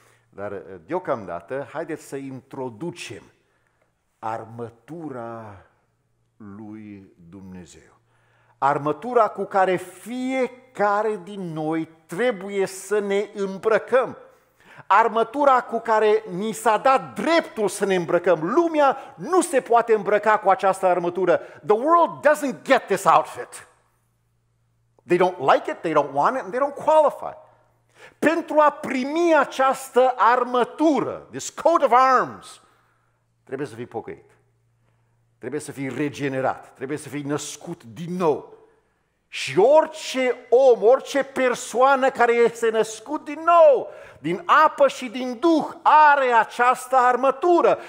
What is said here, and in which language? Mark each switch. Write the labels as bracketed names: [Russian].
[Romanian] Dar deocamdată, haideți să introducem armătura lui Dumnezeu. Armătura cu care fiecare care din noi trebuie să ne îmbrăcăm. Armătura cu care ni s-a dat dreptul să ne îmbrăcăm. Lumea nu se poate îmbrăca cu această armătură. [English] The world doesn't get this outfit. They don't like it, they don't want it, and they don't qualify. [Romanian] Pentru a primi această armătură, [English] this coat of arms, [Romanian] trebuie să fii pocăit. Trebuie să fii regenerat, trebuie să fii născut din nou. Și orice om, orice persoană care este născut din nou, din apă și din duh, are această armătură.